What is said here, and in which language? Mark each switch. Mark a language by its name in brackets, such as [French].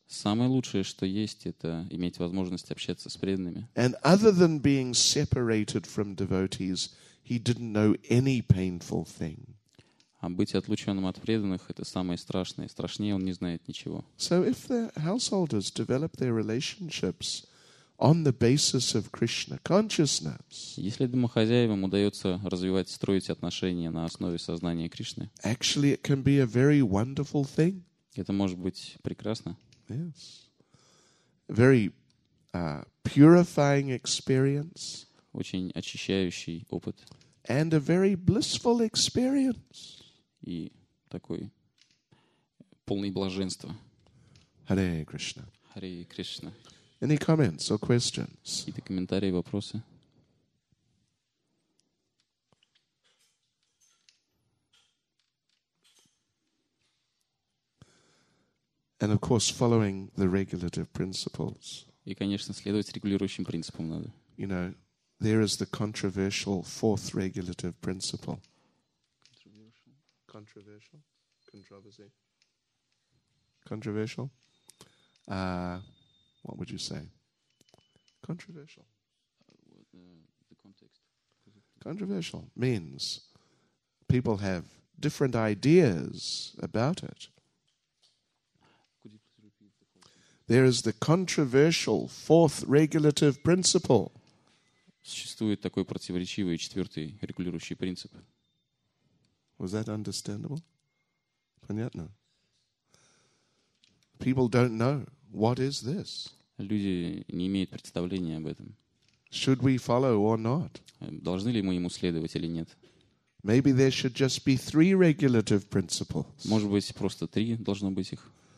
[Russian] Самое лучшее, что есть, это иметь возможность общаться с преданными. [English] And other than being separated from devotees, he didn't know any painful thing. [Russian] А быть отлученным от преданных это самое страшное. Страшнее он не знает ничего. [English] So if the householders develop their relationships on the basis of Krishna consciousness. [Russian] Если домохозяевам удается развивать, строить отношения на основе сознания Кришны. [English] Actually, it can be a very wonderful thing. [Russian] Это может быть прекрасно. [English] Yes. Very purifying experience. [Russian] Очень очищающий опыт. [English] And a very blissful experience. [Russian] И такой полный блаженства. [English] Hare Krishna. Hare Krishna. Any comments or questions? [Russian] Какие-то комментарии, вопросы? [English] And of course, following the regulative principles. [Russian] И, конечно, следовать регулирующим принципам надо. [English] You know, there is the controversial fourth regulative principle. Controversial? Controversy? Controversial? What would you say? Controversial. The context. Controversial means people have different ideas about it. There is the controversial fourth regulative principle. [Russian] Существует такой противоречивый четвертый регулирующий принцип. [English] Was that understandable? [Russian] Понятно. [English] People don't know. What is this? [Russian] Люди не имеют представления об этом. [English] Should we follow or not? [Russian] Должны ли мы ему следовать или нет? [English] Maybe there should just be three regulative principles. [Russian] Может быть, просто три должно быть их.